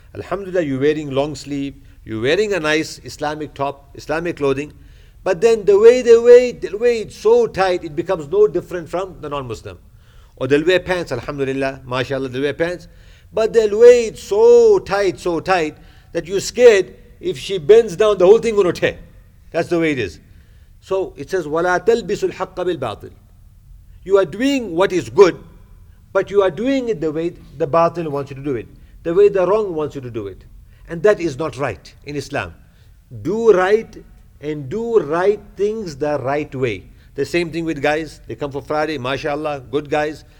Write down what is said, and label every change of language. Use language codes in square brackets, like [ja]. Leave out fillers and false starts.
[en] Alhamdulillah, you're wearing long sleeve, you're wearing a nice Islamic top, Islamic clothing, but then the way they wear it, they'll wear it so tight, it becomes no different from the non-Muslim. Or they'll wear pants, alhamdulillah, mashallah, they'll wear pants, but they'll wear it so tight, that you're scared if she bends down, the whole thing will tear. That's the way it is. So it says, [ar] وَلَا تَلْبِسُ الْحَقَّ بِالْبَاطِلِ. [en] You are doing what is good, but you are doing it the way the batil wants you to do it, the way the wrong wants you to do it. And that is not right in Islam. Do right, and do right things the right way. The same thing with guys. They come for Friday, mashallah, good guys.